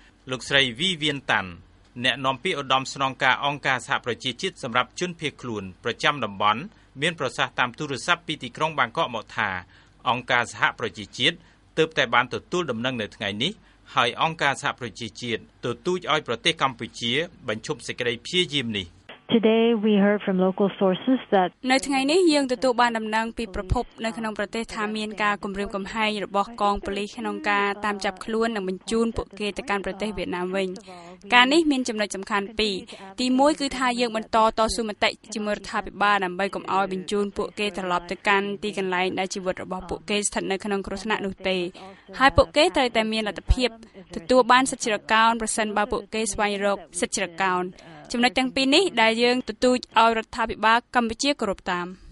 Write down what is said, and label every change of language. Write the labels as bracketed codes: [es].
[km] លោកស្រីវីវៀនតាន់អ្នកនាំពាក្យឧត្តមស្នងការអង្គការសហប្រជាជាតិសម្រាប់ជនភៀសខ្លួនប្រចាំតំបន់មានប្រសាសន៍តាមទូរស័ព្ទពីទីក្រុងបាងកកមកថាអង្គការសហប្រជាជាតិទើបតែបានទទួលដំណឹងនៅថ្ងៃនេះហើយអង្គការសហប្រជាជាតិទទូចឲ្យប្រទេសកម្ពុជាបញ្ឈប់សេចក្តីព្យាយាមនេះ [en] Today we heard from local sources that [km] នៅថ្ងៃនេះយើងទទួលបានដំណឹងពីប្រភពនៅក្នុងប្រទេសថាមានការគម្រាមកំហែងរបស់កងប៉ូលីសក្នុងការតាមចាប់ខ្លួននិងបញ្ជូនពួកគេទៅកាន់ប្រទេសវៀតណាមវិញ ការនេះមានចំណុចសំខាន់ពីរទី1គឺថាយើងបន្តតស៊ូមតិជាមួយរដ្ឋាភិបាលដើម្បីកុំឲ្យបញ្ជូនពួកគេត្រឡប់ទៅកាន់ទីកន្លែងដែលជីវិតរបស់ពួកគេស្ថិតនៅក្នុងគ្រោះថ្នាក់នោះទេហើយពួកគេត្រូវតែមានលទ្ធភាពទទួលបានសិទ្ធិជ្រកកោនប្រសិនបើពួកគេស្វែងរកសិទ្ធិជ្រកកោនចំណុចទាំងពីរនេះដែលយើងទទូចឲ្យរដ្ឋាភិបាលកម្ពុជាគោរពតាម